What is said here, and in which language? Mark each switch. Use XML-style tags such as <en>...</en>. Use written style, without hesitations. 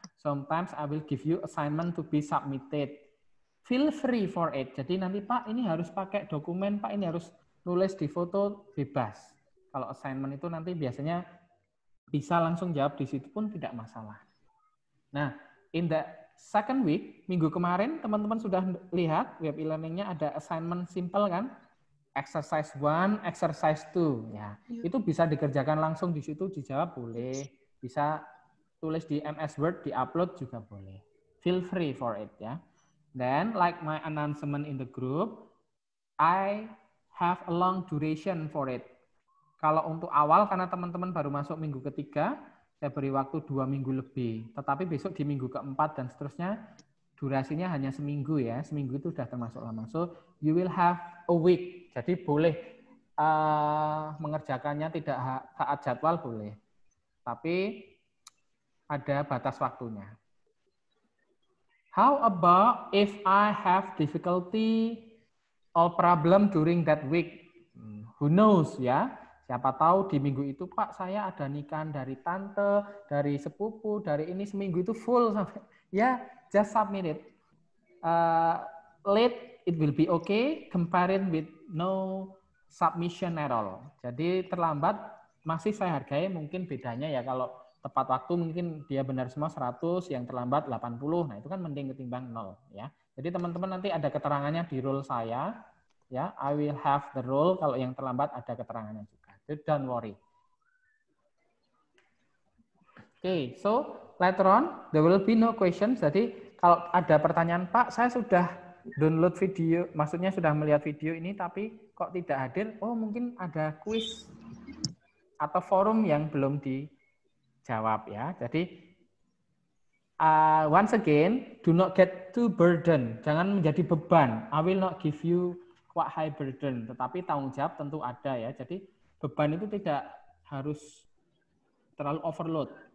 <en>Sometimes I will give you assignment to be submitted. Feel free for it.</en> <id>Jadi nanti Pak ini harus pakai dokumen, Pak ini harus nulis di foto, bebas. Kalau assignment itu nanti biasanya bisa langsung jawab di situ pun tidak masalah. Nah,</id> <en>in the second week,</en> <id>minggu kemarin teman-teman sudah lihat web e-learningnya ada assignment simple kan? Exercise 1, exercise 2. Ya. Itu bisa dikerjakan langsung di situ, dijawab boleh. Bisa tulis di MS Word, di-upload juga boleh.</id> <en>Feel free for it ya. Then, like my announcement in the group, I have a long duration for it.</en> <id>Kalau untuk awal, karena teman-teman baru masuk minggu ketiga, saya beri waktu 2 minggu lebih. Tetapi besok di minggu keempat dan seterusnya, durasinya hanya seminggu ya. Seminggu itu sudah termasuk lama.</id> <en>So, you will have a week.</en> <id>Jadi, boleh mengerjakannya tidak saat jadwal, boleh. Tapi, ada batas waktunya.</id> <en>How about if I have difficulty or problem during that week? Who knows ya?</en> <id>Siapa tahu di minggu itu Pak saya ada nikahan dari tante, dari sepupu, dari ini seminggu itu full sampai ya,</id> <en>just submit it. Late it will be okay comparing with no submission at all.</en> <id>Jadi terlambat masih saya hargai, mungkin bedanya ya kalau tepat waktu mungkin dia benar semua 100, yang terlambat 80. Nah, itu kan mending ketimbang 0 ya. Jadi teman-teman nanti ada keterangannya di role saya ya.</id> <en>I will have the role</en> <id>kalau yang terlambat ada keterangannya juga.</id> <en>So don't worry. Okay, so later on there will be no questions.</en> <id>Jadi kalau ada pertanyaan, Pak, saya sudah download video, maksudnya sudah melihat video ini tapi kok tidak hadir? Oh, mungkin ada quiz atau forum yang belum di jawab ya. Jadi</id> <en>once again, do not get too burden.</en> <id>Jangan menjadi beban.</id> <en>I will not give you quite high burden.</en> <id>Tetapi tanggung jawab tentu ada ya. Jadi beban itu tidak harus terlalu overload.</id>